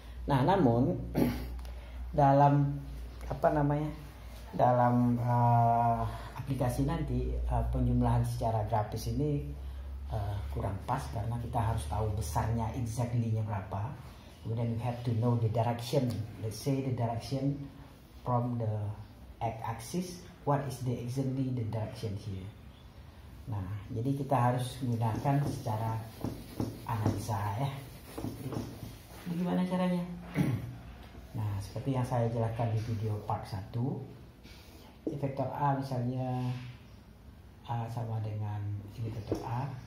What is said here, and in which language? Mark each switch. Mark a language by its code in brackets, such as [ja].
[id] Nah, namun dalam apa namanya? Dalam aplikasi nanti penjumlahan secara grafis ini kurang pas karena kita harus tahu besarnya exactly-nya berapa. Kemudian [en] you have to know the direction. Let's say the direction from the x-axis. What is the exactly the direction here? [id] Nah, jadi kita harus menggunakan secara analisa ya. Jadi, gimana caranya? Nah, seperti yang saya jelaskan di video part 1. Vektor A misalnya A sama dengan ini vektor A.